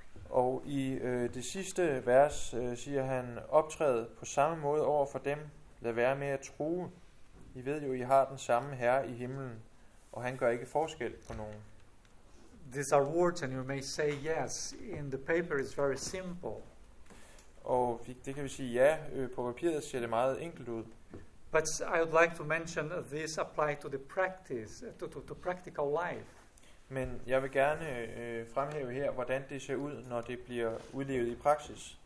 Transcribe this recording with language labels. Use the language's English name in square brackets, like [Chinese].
[Danish] Og i det sidste vers siger han, optræd på samme måde over for dem, lad være med at true. I ved jo, I har den samme herre i himlen, og han gør ikke forskel på nogen. [English] These are words, and you may say yes, in the paper it's very simple. [Danish] Og det kan vi sige ja, på papiret ser det meget enkelt ud. [English] But I would like to mention this apply to the practice, to practical life. [Danish] Men jeg vil gerne fremhæve her, hvordan det ser ud, når det bliver udlevet i praksis.